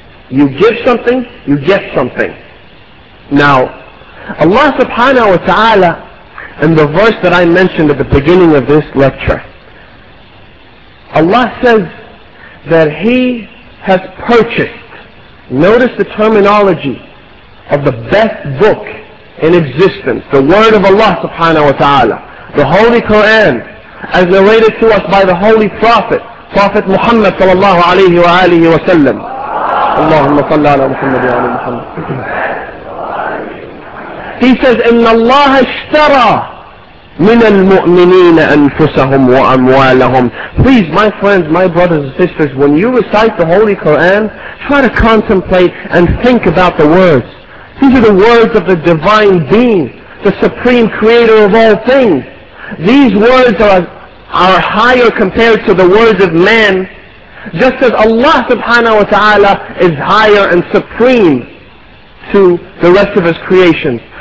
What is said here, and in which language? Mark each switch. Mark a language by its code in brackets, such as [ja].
[en] You give something, you get something. Now, Allah subhanahu wa ta'ala, in the verse that I mentioned at the beginning of this lecture, Allah says that He has purchased, notice the terminology, of the best book in existence, the word of Allah subhanahu wa ta'ala, the Holy Quran, as narrated to us by the Holy Prophet, Prophet Muhammad sallallahu alayhi wa alihi wa sallam. [ar] Allahumma salli ala Muhammad wa ala Muhammad. [en] He says, [ar] إِنَّ اللَّهَ اشْتَرَى مِنَ الْمُؤْمِنِينَ أَنفُسَهُمْ وَأَمْوَالَهُمْ. [en] Please, my friends, my brothers and sisters, when you recite the Holy Quran, try to contemplate and think about the words. These are the words of the Divine Being, the Supreme Creator of all things. These words are higher compared to the words of man, just as Allah subhanahu wa ta'ala is higher and supreme to the rest of His creation.